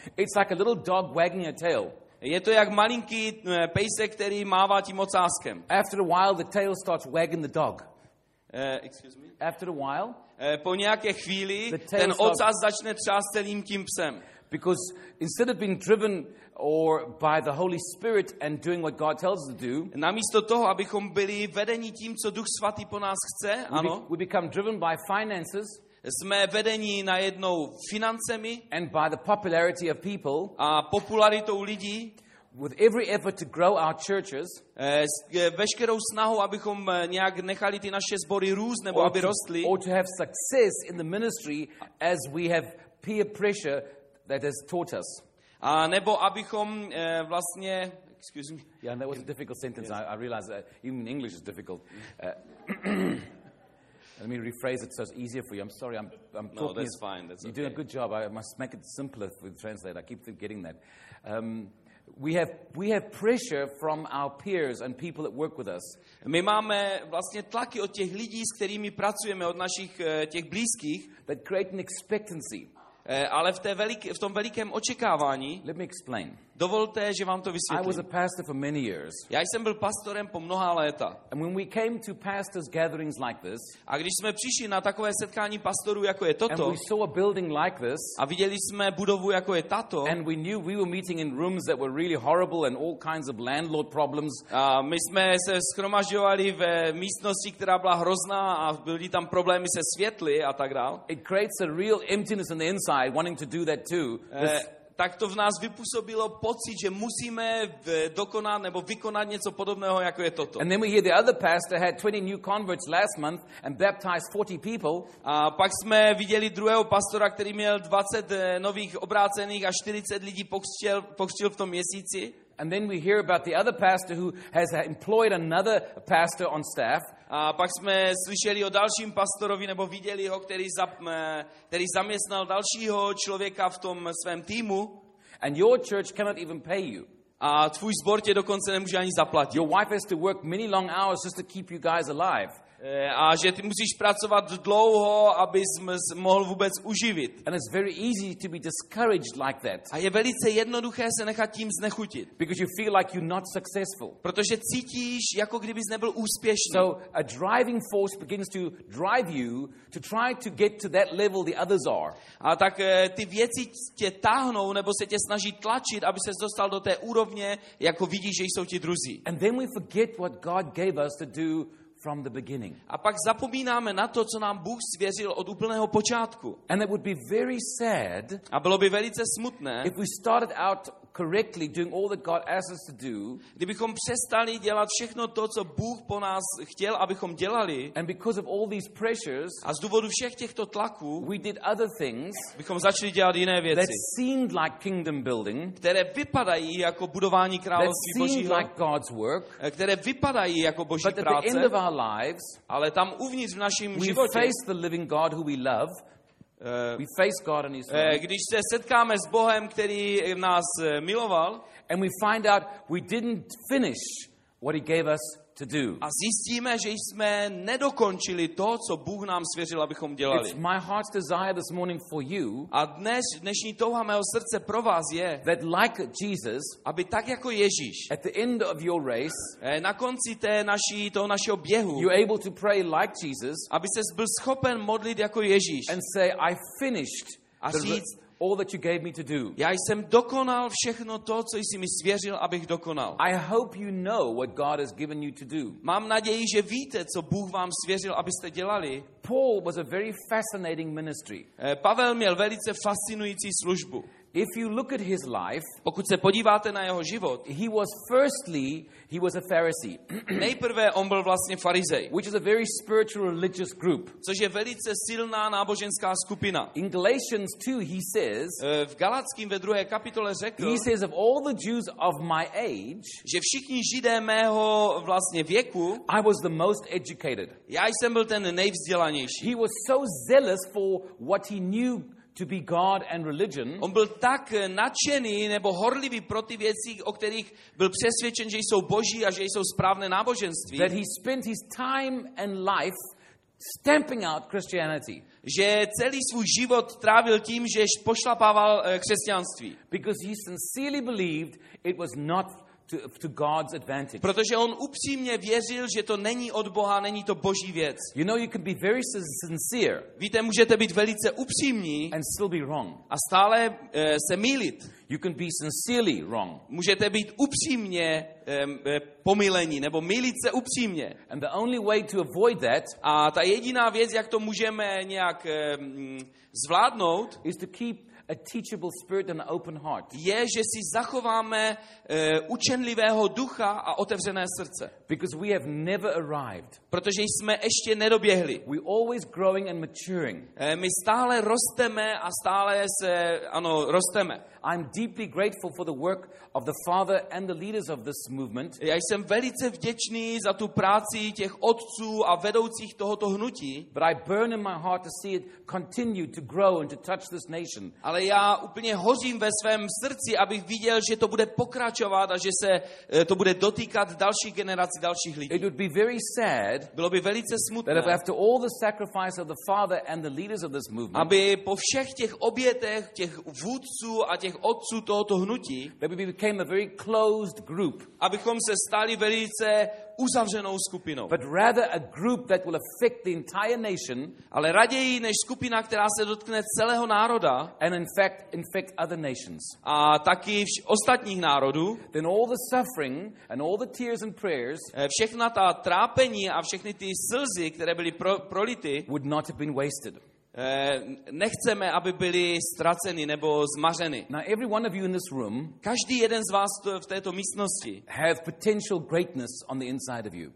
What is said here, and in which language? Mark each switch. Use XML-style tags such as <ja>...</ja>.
<en>It's like a little dog wagging a tail.</en> <cs>Je to jak malinký pejsek, který mává tím ocáskem.</cs> <en>After a while the tail starts wagging the dog. Excuse me. After a while,</en> <cs>po nějaké chvíli ten ocas začne třást celým tím psem.</cs> <en>Because instead of being driven or by the Holy Spirit and doing what God tells us to do,</en> <cs>namísto toho, abychom byli vedeni tím, co Duch svatý po nás chce, ano,</cs> <en>we become driven by finances,</en> <cs>jsme vedeni najednou financemi,</cs> <en>and by the popularity of people,</en> <cs>a popularitou lidí.</cs> <en>With every effort to grow our churches,</en> <cs>veškerou snahu, abychom nějak nechali ty naše sbory růst nebo aby rostly,</cs> <en>or to have success in the ministry as we have peer pressure that has taught us.</en> <cs>A nebo abychom vlastně,</cs> <en>excuse me. Yeah, that was a difficult sentence. Yes. I realize that even English is difficult. let me rephrase it so it's easier for you. I'm sorry. I'm no, talking. No, that's fine. That's okay. You're doing a good job. I must make it simpler with translate. I keep forgetting that. We have pressure from our peers and people that work with us.</en> <cs>My máme vlastně tlaky od těch lidí, s kterými pracujeme, od našich těch blízkých.</cs> <en>That create an expectancy.</en> <cs>Ale v tom velikém očekávání.</cs> <en>Let me explain.</en> <cs>Dovolte, že vám to vysvětlím.</cs> <en>I was a pastor for many years.</en> <cs>Já jsem byl pastorem po mnoha léta.</cs> <en>And when we came to pastors' gatherings like this,</en> <cs>a když jsme přišli na takové setkání pastorů, jako je toto,</cs> <en>and we saw a building like this,</en> <cs>a viděli jsme budovu, jako je tato,</cs> <en>and we knew we were meeting in rooms that were really horrible and all kinds of landlord problems,</en> <cs>a my jsme se shromažďovali ve místnosti, která byla hrozná a byly tam problémy se světly a tak dál.</cs> <en>It creates a real emptiness on the inside, wanting to do that too.</en> <cs>Tak to v nás vypůsobilo pocit, že musíme dokonat nebo vykonat něco podobného, jako je toto.</cs> <en>And then we hear the other pastor had 20 new converts last month and baptized 40 people.</en> <cs>A pak jsme viděli druhého pastora, který měl 20 nových obrácených a 40 lidí pokřtil v tom měsíci.</cs> <en>And then we hear about the other pastor who has employed another pastor on staff.</en> <cs>A pak jsme slyšeli o dalším pastorovi nebo viděli ho, který zaměstnal dalšího člověka v tom svém týmu.</cs> <en>And your church cannot even pay you.</en> <cs>A tvůj sbor tě dokonce nemůže ani zaplatit.</cs> <en>Your wife has to work many long hours just to keep you guys alive.</en> <cs>A že ty musíš pracovat dlouho, abys mohl vůbec uživit.</cs> <en>And it's very easy to be discouraged like that.</en> <cs>A je velice jednoduché se nechat tím znechutit.</cs> <en>Because you feel like you're not successful.</en> <cs>Protože cítíš, jako kdybys nebyl úspěšný.</cs> <en>So a driving force begins to drive you to try to get to that level the others are.</en> <cs>A tak ty věci tě táhnou, nebo se tě snaží tlačit, aby ses dostal do té úrovně, jako vidíš, že jsou ti druzí.</cs> <en>And then we forget what God gave us to do from the beginning.</en> <cs>A pak zapomínáme na to, co nám Bůh svěřil od úplného počátku.</cs> <en>And it would be very sad.</en> <cs>A bylo by velice smutné.</cs> <en>If we started out correctly, doing all that God asks us to do,</en> <cs>kdybychom přestali dělat všechno to, co Bůh po nás chtěl, abychom dělali,</cs> <en>and because of all these pressures,</en> <cs>a z důvodu všech těchto tlaků,</cs> <en>we did other things,</en> <cs>bychom začali dělat jiné věci,</cs> <en>that seemed like kingdom building,</en> <cs>které vypadají jako budování království Božího,</cs> <en>that seemed like God's work,</en> <cs>které vypadají jako Boží práce,</cs> <en>but at the end of our lives,</en> <cs>ale tam uvnitř v našem životě,</cs> <en>we face the living God who we love. We face God and His word.</en> <cs>Když se setkáme s Bohem, který nás miloval,</cs> <en>and we find out we didn't finish what He gave us to do.</en> <cs>A zjistíme, že jsme nedokončili to, co Bůh nám svěřil, abychom dělali.</cs> <en>It's my heart's desire this morning for you.</en> <cs>A dnešní touha mého srdce pro vás je,</cs> <en>that like Jesus,</en> <cs>aby tak jako Ježíš,</cs> <en>at the end of your race,</en> <cs>na konci toho našeho běhu,</cs> <en>you're able to pray like Jesus,</en> <cs>aby ses byl schopen modlit jako Ježíš,</cs> <en>and say, I finished.</en> <cs>A říct,</cs> <en>all that you gave me to do.</en> <cs>Já jsem dokonal všechno to, co jsi mi svěřil, abych dokonal.</cs> <en>I hope you know what God has given you to do.</en> <cs>Mám naději, že víte, co Bůh vám svěřil, abyste dělali.</cs> <en>Paul was a very fascinating ministry.</en> <cs>Pavel měl velice fascinující službu.</cs> <en>If you look at his life,</en> <cs>pokud se podíváte na jeho život,</cs> <en>he was a Pharisee.</en> <cs>Nejprve on byl vlastně farizej,</cs> <en>which is a very spiritual religious group.</en> <cs>Což je velice silná náboženská skupina.</cs> <en>In Galatians 2 he says,</en> <cs>v Galackém ve druhé kapitole řekl,</cs> <en>he says of all the Jews of my age,</en> <cs>že všichni Židé mého vlastně věku,</cs> <en>I was the most educated.</en> <cs>Já jsem byl ten nejvzdělanější.</cs> <en>He was so zealous for what he knew to be God and religion.</en> <cs>On byl tak nadšený nebo horlivý pro ty věci, o kterých byl přesvědčen, že jsou boží a že jsou správné náboženství.</cs> <en>That he spent his time and life stamping out Christianity.</en> <cs>Že celý svůj život trávil tím, že pošlapával křesťanství.</cs> <en>Because he sincerely believed it was not to God's advantage.</en> <cs>Protože on upřímně věřil, že to není od Boha, není to boží věc.</cs> <en>You know, you can be very sincere.</en> <cs>Víte, můžete být velice upřímní</cs> <en>and still be wrong.</en> <cs>A stále se mýlit.</cs> <en>You can be sincerely wrong.</en> <cs>Můžete být upřímně pomýlení nebo mýlit se upřímně.</cs> <en>And the only way to avoid that,</en> <cs>a ta jediná věc, jak to můžeme nějak zvládnout,</cs> <en>is to keep a teachable spirit and an open heart.</en> <cs>Je, že si zachováme učenlivého ducha a otevřené srdce.</cs> <en>Because we have never arrived.</en> <cs>Protože jsme ještě nedoběhli.</cs> <en>We always growing and maturing.</en> <cs>My stále rosteme a stále se, ano, rosteme.</cs> <en>I'm deeply grateful for the work of the father and the leaders of this movement.</en> <cs>Já jsem velice vděčný za tu práci těch otců a vedoucích tohoto hnutí.</cs> <en>But I burn in my heart to see it continue to grow and to touch this nation.</en> <cs>Ale já úplně hořím ve svém srdci, abych viděl, že to bude pokračovat a že se to bude dotýkat dalších generací, dalších lidí.</cs> <en>It would be very sad.</en> <cs>Bylo by velice smutné.</cs> <en>That after all the sacrifice of the father and the leaders of this movement.</en> <cs>Aby po všech těch obětech těch vůdců a těch otců tohoto hnutí,</cs> <en>maybe we became a very closed group.</en> <cs>Abychom se stali velice uzavřenou skupinou.</cs> <en>But rather a group that will affect the entire nation,</en> <cs>ale raději než skupina, která se dotkne celého národa,</cs> <en>and infect other nations.</en> <cs>A taky ostatních národů.</cs> <en>Then all the suffering and all the tears and prayers,</en> <cs>všechna ta trápení a všechny ty slzy, které byly prolity,</cs> <en>would not have been wasted.</en> <cs>Nechceme, aby byly ztraceny nebo zmařeny.</cs> <en>Now every one of you in this room,</en> <cs>každý jeden z vás v této místnosti,</cs> <en>have potential greatness on the inside of you.</en>